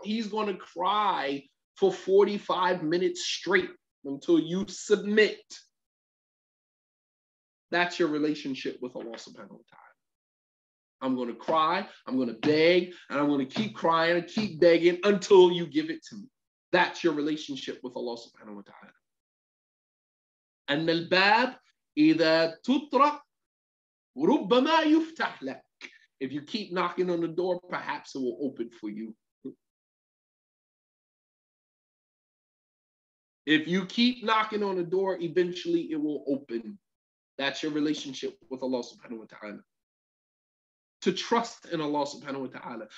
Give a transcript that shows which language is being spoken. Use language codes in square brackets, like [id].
[en] He's going to cry for 45 minutes straight until you submit. That's your relationship with Allah subhanahu wa ta'ala. I'm going to cry, I'm going to beg, and I'm going to keep crying and keep begging until you give it to me. That's your relationship with Allah subhanahu wa ta'ala. [ar] أن الباب إذا تطرق ربما يفتح لك. [en] If you keep knocking on the door, perhaps it will open for you. If you keep knocking on the door, eventually it will open. That's your relationship with Allah subhanahu wa ta'ala. To trust in Allah subhanahu wa ta'ala.